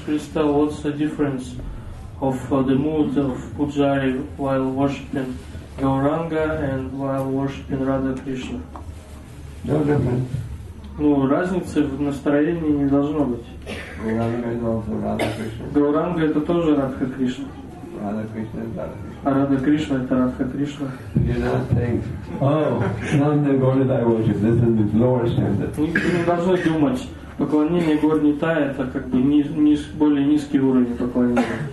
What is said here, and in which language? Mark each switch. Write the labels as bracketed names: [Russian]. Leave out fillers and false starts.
[English] please tell what's the difference of the mood of Pujari while worshipping Gauranga and while worshipping Radha Krishna? No difference. [Russian] Ну, разницы в настроении не должно быть. [English] Gauranga is also Radha Krishna. [Russian] Gauranga это тоже Радха Кришна. [English] Radha Krishna is Radha Krishna. [Russian] А Радха Кришна это Радха Кришна. [English] You're not saying, oh, this is the lower [Russian] standard. Не должно думать. Поклонение Горни Тая это как бы более низкий уровень поклонения.